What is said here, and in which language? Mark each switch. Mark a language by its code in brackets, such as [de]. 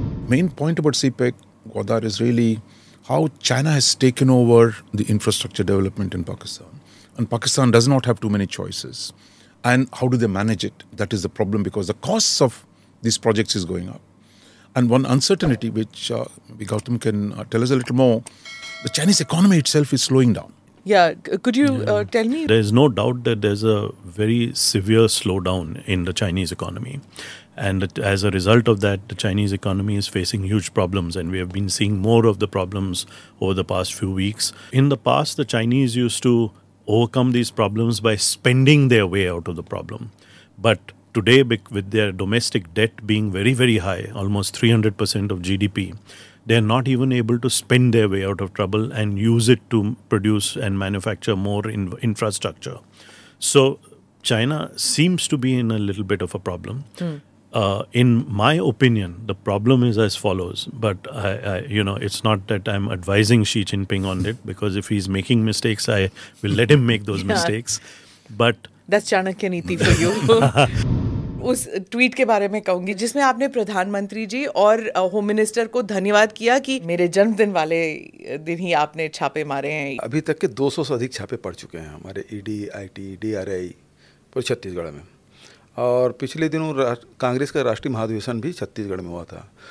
[en] Main point about CPEC Gwadar is really how China has taken over the infrastructure development in Pakistan and Pakistan does not have too many choices and how do they manage it, that is the problem because the cost of this projects is going up and one uncertainty which we Gautam can tell us a little more, the Chinese economy itself is slowing down. Yeah, could you tell me? There is no doubt that there's a very severe slowdown in the Chinese economy. And as a result of that, the Chinese economy is facing huge problems. And we have been seeing more of the problems over the past few weeks. In the past, the Chinese used to overcome these problems by spending their way out of the problem. But today, with their domestic debt being very, very high, almost 300% of GDP, they're not even able to spend their way out of trouble and use it to produce and manufacture more infrastructure. So China seems to be in a little bit of a problem. In my opinion, the problem is as follows, but I, you know, it's not that I'm advising Xi Jinping on it, because if he's making mistakes, I will let him make those mistakes. But that's Chanakya Niti for you. [hi] उस tweet के बारे में कहूंगी जिसमें आपने प्रधानमंत्री जी और home minister को धन्यवाद किया कि मेरे जन्मदिन वाले दिन ही आपने छापे मारे हैं। अभी तक के 200 से अधिक छापे पड़ चुके हैं हमारे ईडी, आईटी, डीआरआई पूरे छत्तीसगढ़ में, और पिछले दिनों कांग्रेस का राष्ट्रीय महाधिवेशन भी छत्तीसगढ़ में हुआ था।